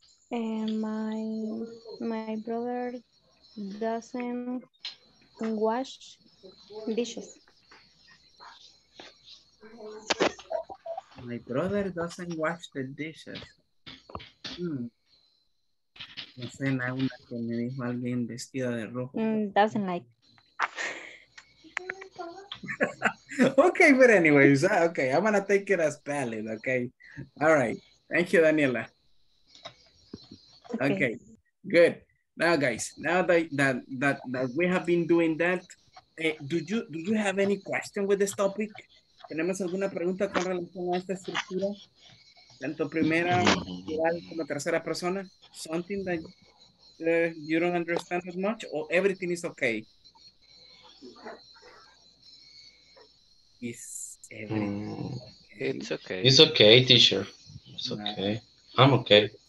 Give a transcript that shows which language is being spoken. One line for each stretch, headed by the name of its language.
English: My brother doesn't wash dishes. My brother doesn't wash the dishes.
Spanish: No sé, en alguna que me dijo alguien vestido de rojo.
English: Doesn't like. Okay, but anyways, okay, I'm gonna take it as valid, okay? All right, thank you, Daniela. Okay, good. Now, guys, now that we have been doing that, do you have any question with this topic?
Spanish: ¿Tenemos alguna pregunta con relación a esta estructura? Tanto primera como tercera persona,
English: something that you don't understand as much, or everything is okay? Is everything okay? It's okay. It's okay, teacher. It's okay. I'm okay.